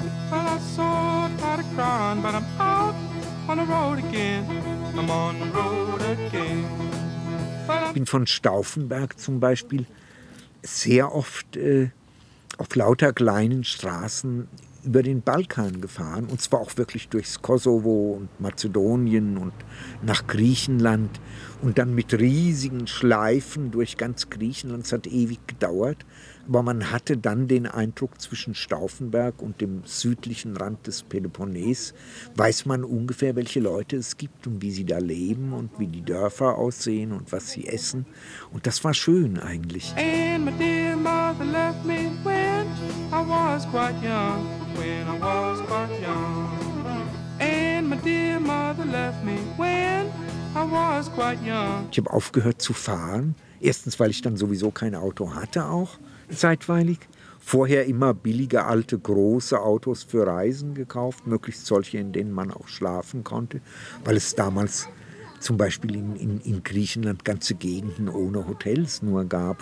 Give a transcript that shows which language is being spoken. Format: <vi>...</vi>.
<en>Well, I saw a tired crown, but I'm out on the road again. I'm on the road again.</en> <de>Well, ich bin von Stauffenberg zum Beispiel sehr oft auf lauter kleinen Straßen über den Balkan gefahren, und zwar auch wirklich durchs Kosovo und Mazedonien und nach Griechenland und dann mit riesigen Schleifen durch ganz Griechenland. Es hat ewig gedauert, aber man hatte dann den Eindruck, zwischen Stauffenberg und dem südlichen Rand des Peloponnes weiß man ungefähr, welche Leute es gibt und wie sie da leben und wie die Dörfer aussehen und was sie essen. Und das war schön eigentlich.</de> <en>And my dear mother left me when I was quite young. When I was quite young. And my dear mother left me when I was quite young.</en> <de>Ich habe aufgehört zu fahren. Erstens, weil ich dann sowieso kein Auto hatte, auch zeitweilig. Vorher immer billige, alte, große Autos für Reisen gekauft. Möglichst solche, in denen man auch schlafen konnte. Weil es damals zum Beispiel in Griechenland ganze Gegenden ohne Hotels nur gab.</de>